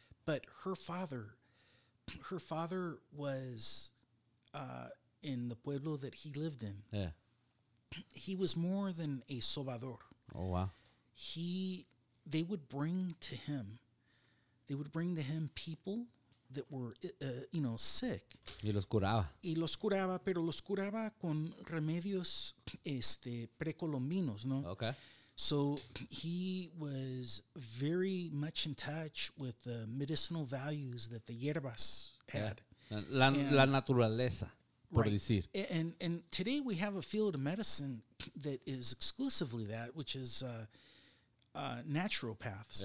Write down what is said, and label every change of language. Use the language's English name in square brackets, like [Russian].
[English] But her father was in the pueblo that he lived in. Yeah. He was more than a sobador. Oh, wow. They would bring to him people that were, you know, sick. [Spanish] Y los curaba. Y los curaba, pero los curaba con remedios precolombinos, ¿no? [English] Okay. So he was very much in touch with the medicinal values that the hierbas had. [Spanish] La naturaleza, por [English] right. [Spanish] decir. [English] And today we have a field of medicine that is exclusively that, which is naturopaths.